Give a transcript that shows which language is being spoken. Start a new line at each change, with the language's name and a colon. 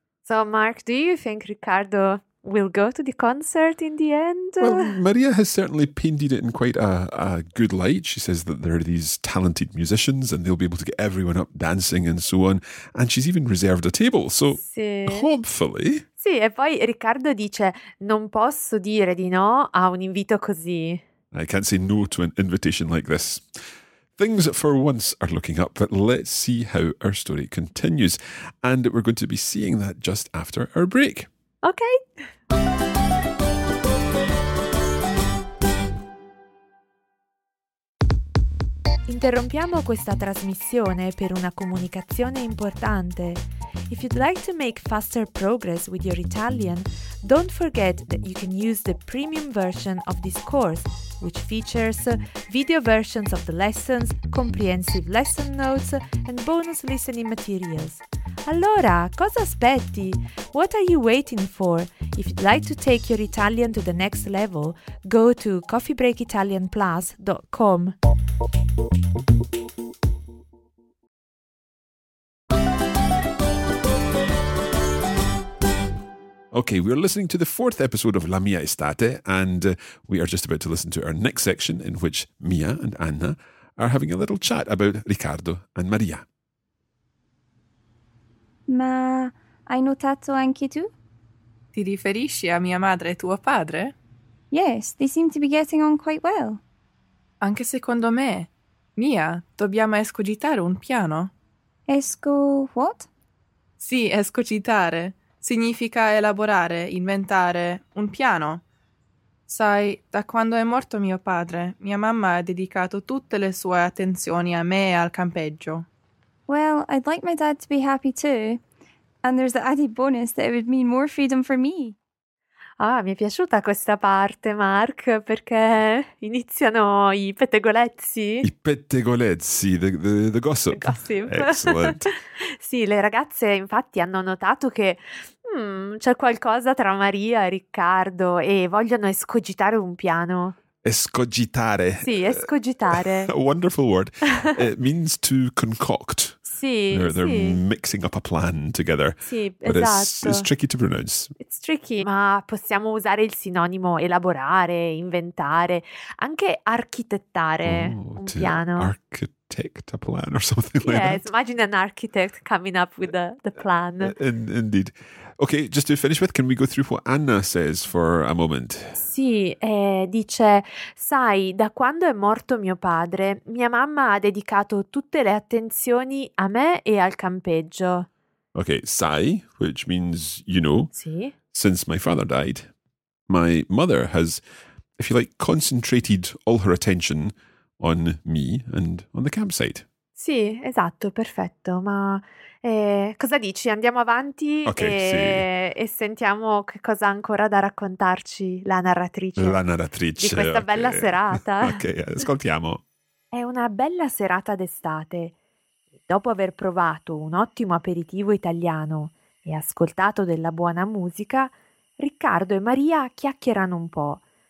English: So, Mark, do you think Riccardo we'll go to the concert in the end? Well, Maria has certainly painted it in quite a good light. She says that there are these talented musicians and they'll be able to get everyone up dancing and so on. And she's even reserved a table. So
Italian: sì.
English: Hopefully.
Italian: Sì, e poi Riccardo dice, non posso dire di no a un invito così.
English: I can't say no to an invitation like this. Things for once are looking up, but let's see how our story continues. And we're going to be seeing that just after our break. Okay.
Italian: Interrompiamo questa trasmissione per una comunicazione importante.
English: If you'd like to make faster progress with your Italian, don't forget that you can use the premium version of this course, which features video versions of the lessons, comprehensive lesson notes, and bonus listening materials.
Italian: Allora, cosa aspetti?
English: What are you waiting for? If you'd like to take your Italian to the next level, go to coffeebreakitalianplus.com. Okay, we're listening to the fourth episode of La Mia Estate, and we are just about to listen to our next section in which Mia and Anna are having a little chat about Riccardo and Maria.
Italian: Ma hai notato anche tu? Ti riferisci a mia madre e tuo padre?
English: Yes, they seem to be getting on quite well.
Italian: Anche secondo me. Mia, dobbiamo escogitare un piano.
English: Esco what?
Italian: Sì, escogitare. Significa elaborare, inventare, un piano. Sai, da quando è morto mio padre, mia mamma ha dedicato tutte le sue attenzioni a me e al campeggio.
English: Well, I'd like my dad to be happy too. And there's the added bonus that it would mean more freedom for me.
Italian: Ah, mi è piaciuta questa parte, Mark, perché iniziano i pettegolezzi.
English: I pettegolezzi, the gossip. The gossip. Excellent.
Italian: Sì, le ragazze infatti hanno notato che c'è qualcosa tra Maria e Riccardo e vogliono escogitare un piano. Escogitare. Sì, escogitare.
English: A wonderful word. It means to concoct.
Italian: Sì,
English: they're
Italian: sì.
English: mixing up a plan together.
Italian: Sì,
English: but
Italian: esatto.
English: It's tricky to pronounce. It's tricky,
Italian: ma possiamo usare il sinonimo elaborare, inventare, anche architettare un piano.
English: Architect a plan or something like yes, that. Yes, imagine an architect coming up with the plan. Indeed. Okay, just to finish with, can we go through what Anna says for a moment?
Italian: Sì, dice, sai, da quando è morto mio padre, mia mamma ha dedicato tutte le attenzioni a me e al campeggio.
English: Okay, sai, which means you know.
Italian: Sì.
English: Since my father died, my mother has, if you like, concentrated all her attention on me and on the campsite.
Italian: Sì, esatto, perfetto, ma cosa dici? Andiamo avanti
English: okay,
Italian: e sentiamo che cosa ha ancora da raccontarci la narratrice. La narratrice. Di questa
English: okay.
Italian: bella serata. Ok, ascoltiamo. È una bella serata d'estate. Dopo aver provato un ottimo aperitivo italiano e ascoltato della buona musica, Riccardo e Maria chiacchierano un po'.